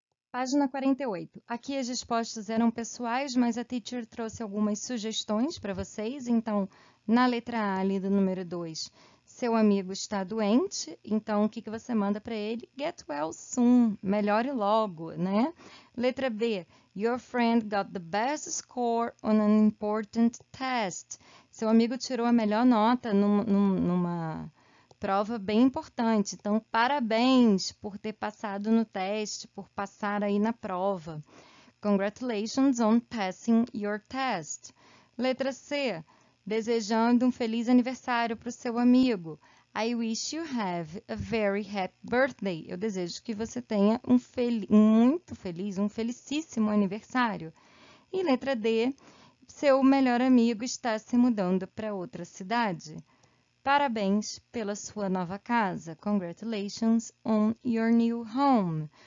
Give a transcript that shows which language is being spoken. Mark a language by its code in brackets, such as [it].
[pt] Página 48. Aqui as respostas eram pessoais, mas a teacher trouxe algumas sugestões para vocês. Então, na letra A ali do número 2, seu amigo está doente, então o que que você manda para ele? [en] Get well soon, [pt] melhore logo, né? [en] Letra B, your friend got the best score on an important test. [pt] Seu amigo tirou a melhor nota numa prova bem importante. Então, parabéns por ter passado no teste, por passar aí na prova. [en] Congratulations on passing your test. Letra C. [pt] Desejando um feliz aniversário para o seu amigo. [en] I wish you have a very happy birthday. [pt] Eu desejo que você tenha um muito feliz, um felicíssimo aniversário. E letra D. Seu melhor amigo está se mudando para outra cidade. Parabéns pela sua nova casa. [en] Congratulations on your new home.